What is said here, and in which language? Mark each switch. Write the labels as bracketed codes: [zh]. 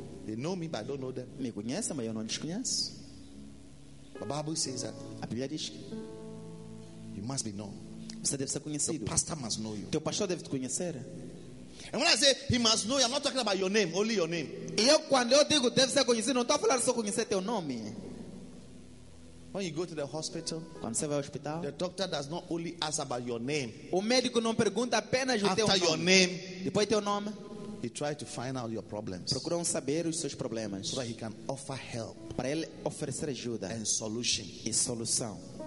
[en] They know me, but I don't know them. [pt] Me conhecem, mas eu não os conheço. [en] The Bible says that. [pt] A Bíblia diz que [en] you must be known. [pt] Você deve ser conhecido. [en] The pastor must know you. [pt] Teu pastor deve te conhecer. [en] And when I say he must know, I'm not talking about your name, only your name. [pt] E eu, quando eu digo deve ser conhecido, não estou a falar só conhecer teu nome. [en] When you go to the hospital, [pt] quando você vai ao hospital, [en] the doctor does not only ask about your name. [pt] O médico não pergunta apenas [en] after [pt] o teu nome. [en] After your name, [pt] depois teu nome, [en] he tries to find out your problems. [pt] Procura saber os seus problemas. [en] So that he can offer help. [pt] Para ele oferecer ajuda. [en] And solution. [pt] E solução.